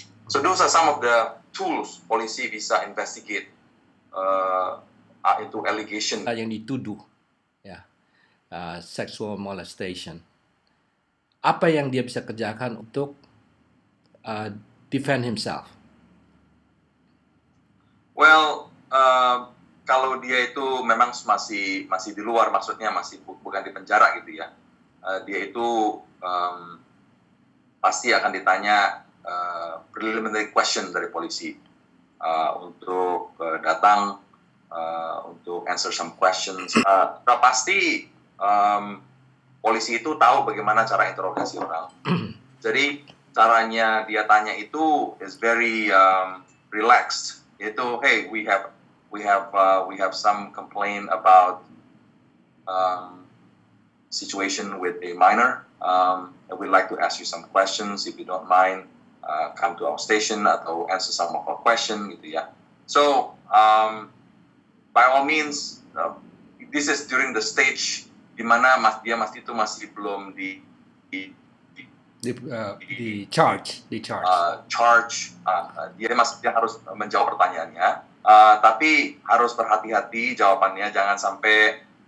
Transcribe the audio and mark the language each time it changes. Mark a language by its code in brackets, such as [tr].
[en] So those are some of the tools [id] polisi bisa [en] investigate [id] itu [en] allegation [id] yang dituduh, ya, [en] sexual molestation. [id] Apa yang dia bisa kerjakan untuk [en] defend himself? Well, [id] kalau dia itu memang masih di luar, maksudnya masih bukan di penjara gitu ya, dia itu pasti akan ditanya [en] preliminary question [id] dari polisi untuk datang untuk [en] answer some questions. [id] Sudah pasti polisi itu tahu bagaimana cara interogasi orang. Jadi caranya dia tanya itu [en] is very relaxed. [id] Yaitu, [en] hey, we have some complaint about situation with a minor. And we'd like to ask you some questions if you don't mind. Come to our station [id] atau [en] answer some of our question [id] gitu ya. [en] So by all means, this is during the stage [id] di mana dia harus menjawab pertanyaannya, tapi harus berhati-hati jawabannya, jangan sampai